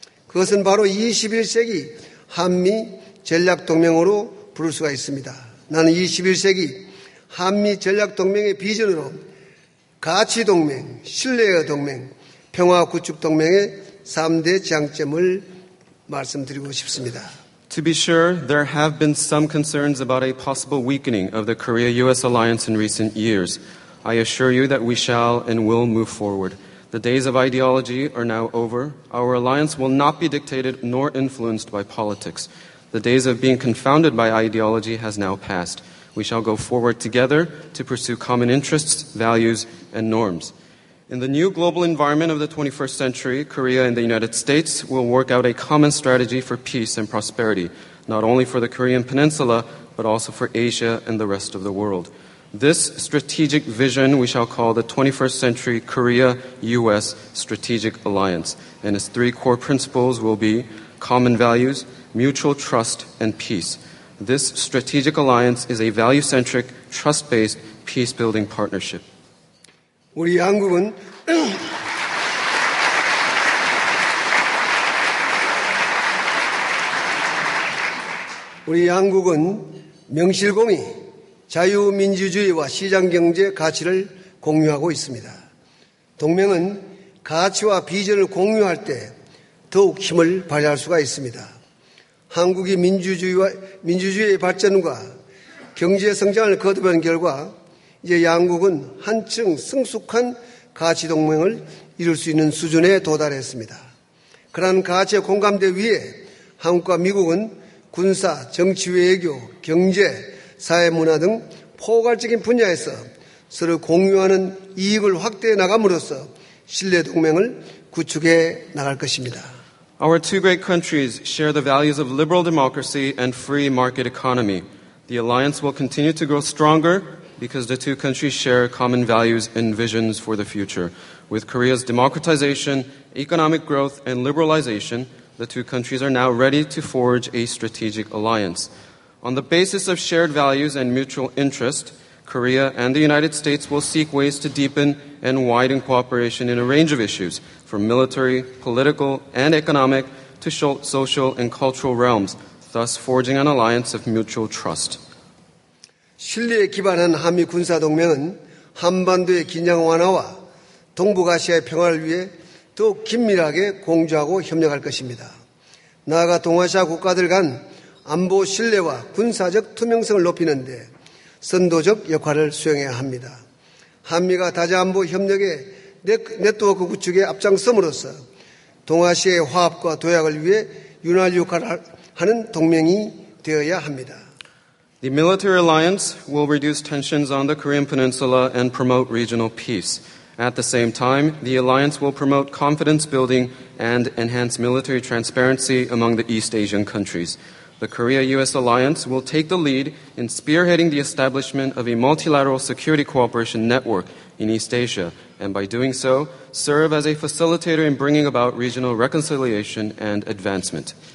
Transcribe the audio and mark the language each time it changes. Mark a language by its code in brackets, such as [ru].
[ko] 그것은 바로 21세기 한미 전략 동맹으로 부를 수가 있습니다. 나는 21세기 한미 전략 동맹의 비전으로 가치 동맹, 신뢰의 동맹, 평화 구축 동맹의 3대 장점을 말씀드리고 싶습니다. [en] To be sure, there have been some concerns about a possible weakening of the Korea-U.S. alliance in recent years. I assure you that we shall and will move forward. The days of ideology are now over. Our alliance will not be dictated nor influenced by politics. The days of being confounded by ideology has now passed. We shall go forward together to pursue common interests, values, and norms. In the new global environment of the 21st century, Korea and the United States will work out a common strategy for peace and prosperity, not only for the Korean Peninsula, but also for Asia and the rest of the world. This strategic vision we shall call the 21st Century Korea-U.S. Strategic Alliance, and its three core principles will be common values, mutual trust, and peace. This strategic alliance is a value-centric, trust-based, peace-building partnership. [ko] 우리 한국은 우리 한국은 명실공히 자유민주주의와 시장경제 가치를 공유하고 있습니다. 동맹은 가치와 비전을 공유할 때 더욱 힘을 발휘할 수가 있습니다. 한국이 민주주의의 발전과 경제성장을 거듭한 결과 이제 양국은 한층 성숙한 가치동맹을 이룰 수 있는 수준에 도달했습니다. 그러한 가치의 공감대 위에 한국과 미국은 군사, 정치, 외교, 경제, 사회, 문화 등 포괄적인 분야에서 서로 공유하는 이익을 확대해 나감으로써 신뢰동맹을 구축해 나갈 것입니다. [en] Our two great countries share the values of liberal democracy and free market economy. The alliance will continue to grow stronger because the two countries share common values and visions for the future. With Korea's democratization, economic growth, and liberalization, the two countries are now ready to forge a strategic alliance. On the basis of shared values and mutual interest, Korea and the United States will seek ways to deepen and widen cooperation in a range of issues, from military, political, and economic to social and cultural realms, thus forging an alliance of mutual trust. [ko] 신뢰에 기반한 한미 군사 동맹은 한반도의 긴장 완화와 동북아시아의 평화를 위해 더욱 긴밀하게 공조하고 협력할 것입니다. 나아가 동아시아 국가들 간 안보 신뢰와 군사적 투명성을 높이는데 선도적 역할을 수행해야 합니다. 한미가 다자안보 협력의 네트워크 구축에 앞장섬으로써 동아시아의 화합과 도약을 위해 윤활 역할을 하는 동맹이 되어야 합니다. [en] The military alliance will reduce tensions on the Korean Peninsula and promote regional peace. At the same time, the alliance will promote confidence building and enhance military transparency among the East Asian countries. The Korea-U.S. alliance will take the lead in spearheading the establishment of a multilateral security cooperation network in East Asia, and by doing so, serve as a facilitator in bringing about regional reconciliation and advancement.